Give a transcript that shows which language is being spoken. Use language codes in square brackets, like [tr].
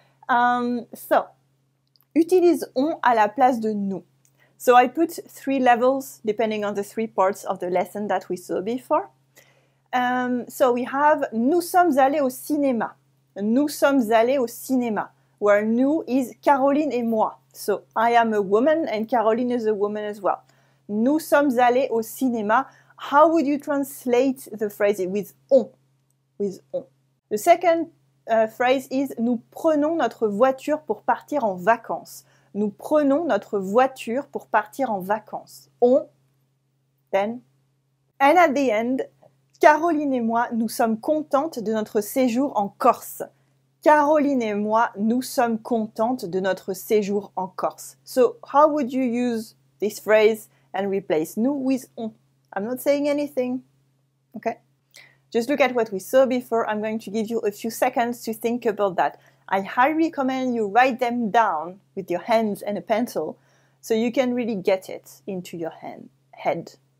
[fr] So, utilise on à la place de nous. [en] So I put three levels depending on the three parts of the lesson that we saw before. So we have [fr] nous sommes allés au cinéma. Nous sommes allés au cinéma, [en] where [fr] nous is Caroline et moi. [en] So I am a woman and Caroline is a woman as well. [fr] Nous sommes allés au cinéma. [en] How would you translate the phrase with on? With on. The second phrase is [fr] nous prenons notre voiture pour partir en vacances. Nous prenons notre voiture pour partir en vacances. On, [en] then. And at the end, [fr] Caroline et moi, nous sommes contentes de notre séjour en Corse. Caroline et moi, nous sommes contentes de notre séjour en Corse. [en] So, how would you use this phrase and replace nous with on? I'm not saying anything. Okay? Just look at what we saw before. I'm going to give you a few seconds to think about that. I highly recommend you write them down with your hands and a pencil so you can really get it into your head.